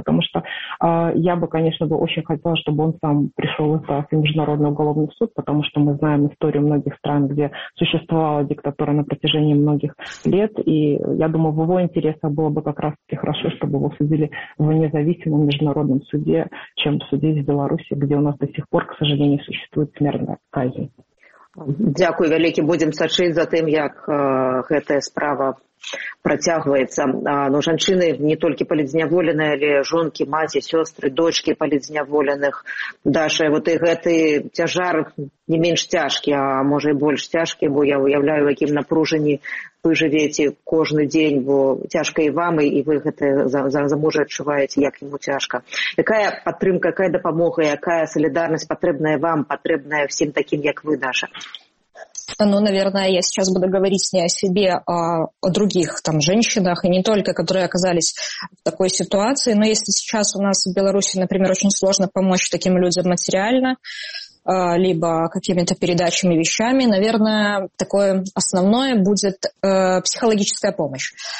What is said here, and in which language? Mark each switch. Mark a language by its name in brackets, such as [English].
[Russian] Потому что я бы, конечно, бы очень хотела, чтобы он сам пришел в Международный уголовный суд, потому что мы знаем историю многих стран, где существовала диктатура на протяжении многих лет, и я думаю, в его интересах было бы как раз-таки хорошо, чтобы его судили в независимом международном суде, чем судить в Беларуси, где у нас до сих пор, к сожалению, существует смертная казнь. [Belarusian] Дякую вялікі, будзем сачыць за тым, як гэтая справа працягваецца. Ну, жанчыны не толькі палітзняволеныя, але жонкі, маці, сёстры, дочкі палітзняволеных. Даша, вот і гэты цяжар не менш цяжкі, а можа і больш цяжкі, бо я уяўляю, у якім напружанні вы жывеце кожны дзень, бо цяжка і вам, і вы гэта за мужа адчуваеце, як яму цяжка. Якая падтрымка, якая дапамога, якая салідарнасць патрэбная вам, патрэбная всім такім, як вы, Даша? [Russian] Ну, наверное, я сейчас буду говорить не о себе, а о других там женщинах, и не только, которые оказались в такой ситуации. Но если сейчас у нас в Беларуси, например, очень сложно помочь таким людям материально, либо какими-то передачами, вещами, наверное, такое основное будет психологическая помощь.